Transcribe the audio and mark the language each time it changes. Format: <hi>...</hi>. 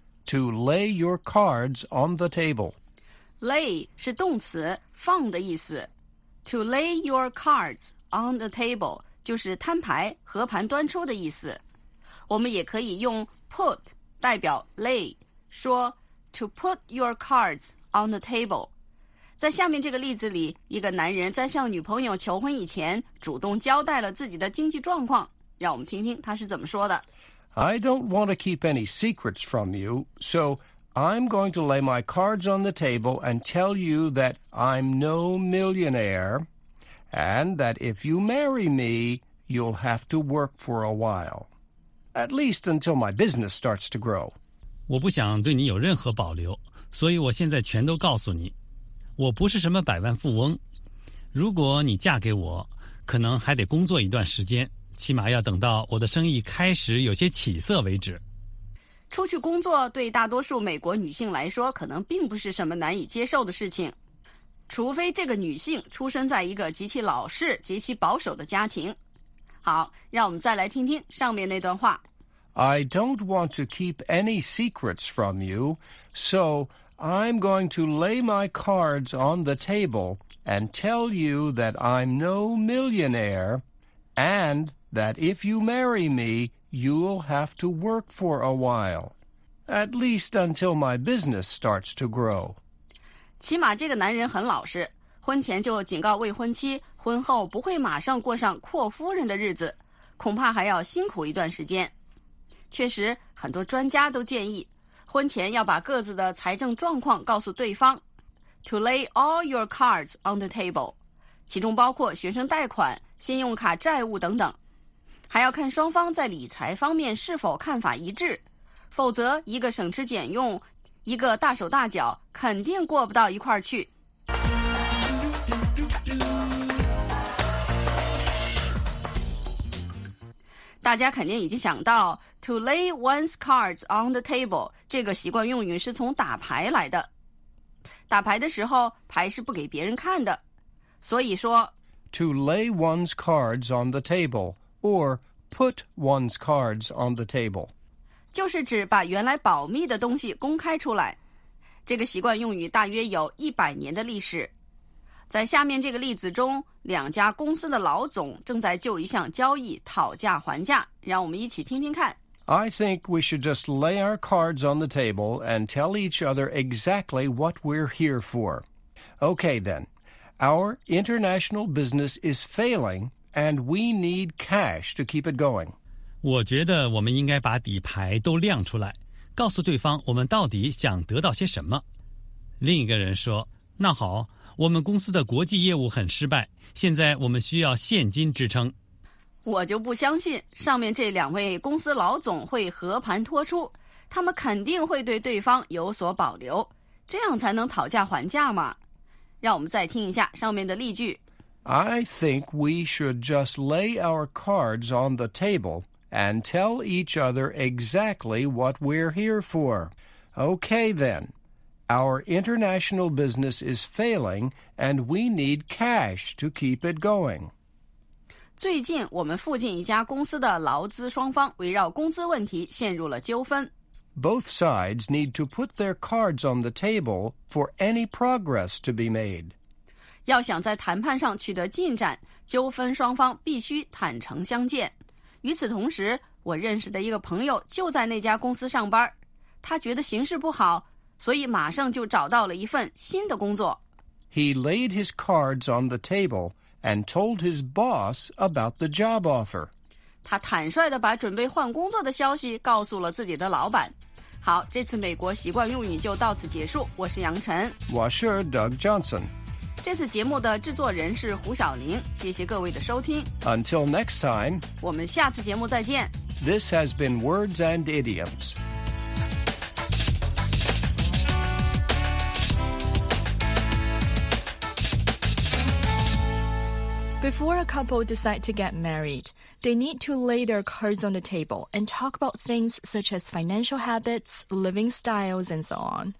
<en>To lay your cards on the table.</en> <zh>Lay 是动词放的意思。</zh> <en>To lay your cards on the table</en> <zh>就是摊牌和盘端出的意思。我们也可以用 put 代表 lay, 说</zh> <en>to put your cards on the table.</en> <zh>在下面这个例子里，一个男人在向女朋友求婚以前主动交代了自己的经济状况，让我们听听他是怎么说的。</zh> <en>I don't want to keep any secrets from you, so I'm going to lay my cards on the table and tell you that I'm no millionaire and that if you marry me, you'll have to work for a while, at least until my business starts to grow.</en> <zh>我不想对你有任何保留，所以我现在全都告诉你，我不是什么百万富翁，如果你嫁给我，可能还得工作一段时间，起码要等到我的生意开始有些起色为止。出去工作对大多数美国女性来说可能并不是什么难以接受的事情，除非这个女性出生在一个极其老式极其保守的家庭。好，让我们再来听听上面那段话。</zh> <en>I don't want to keep any secrets from you, soI'm going to lay my cards on the table and tell you that I'm no millionaire and that if you marry me, you'll have to work for a while, at least until my business starts to grow.</en> <zh>起码这个男人很老实，婚前就警告未婚妻，婚后不会马上过上阔夫人的日子，恐怕还要辛苦一段时间。确实，很多专家都建议婚前要把各自的财政状况告诉对方 ，</zh> <en>to lay all your cards on the table，</en> <zh>其中包括学生贷款、信用卡债务等等，还要看双方在理财方面是否看法一致，否则一个省吃俭用，一个大手大脚，肯定过不到一块儿去。大家肯定已经想到</zh> <en>to lay one's cards on the table</en> <zh>这个习惯用语是从打牌来的。打牌的时候牌是不给别人看的，所以说</zh> <en>to lay one's cards on the table or put one's cards on the table</en> <zh>就是指把原来保密的东西公开出来。这个习惯用语大约有100年的历史。在下面这个例子中，两家公司的老总正在就一项交易讨价还价，让我们一起听听看。</zh> <en>I think we should just lay our cards on the table and tell each other exactly what we're here for. Okay then, our international business is failing and we need cash to keep it going.</en> <zh>我觉得我们应该把底牌都亮出来，告诉对方我们到底想得到些什么。另一个人说，那好，我们公司的国际业务很失败，现在我们需要现金支撑。我就不相信上面这两位公司老总会和盘托出，他们肯定会对对方有所保留，这样才能讨价还价嘛。让我们再听一下上面的例句。</zh> <en>I think we should just lay our cards on the table and tell each other exactly what we're here for. Okay then, our international business is failing and we need cash to keep it going.</en> <zh>最近我们附近一家公司的劳资双方围绕工资问题陷入了纠纷。</zh> <en>Both sides need to put their cards on the table for any progress to be made.</en> <zh>要想在谈判上取得进展，纠纷双方必须坦诚相见。与此同时，我认识的一个朋友就在那家公司上班，他觉得形势不好，所以马上就找到了一份新的工作。</zh> <en>He laid his cards on the table. And told his boss about the job offer.</en> <zh>他坦率地把准备换工作的消息告诉了自己的老板。好，这次美国习惯用语就到此结束。我是杨晨，我是 Doug Johnson。这次节目的制作人是胡晓玲。谢谢各位的收听。</zh> <en>Until next time.</en> <zh>我们下次节目再见。</zh> <en>This has been Words and Idioms. Before a couple decide to get married, they need to lay their cards on the table and talk about things such as financial habits, living styles, and so on.</en>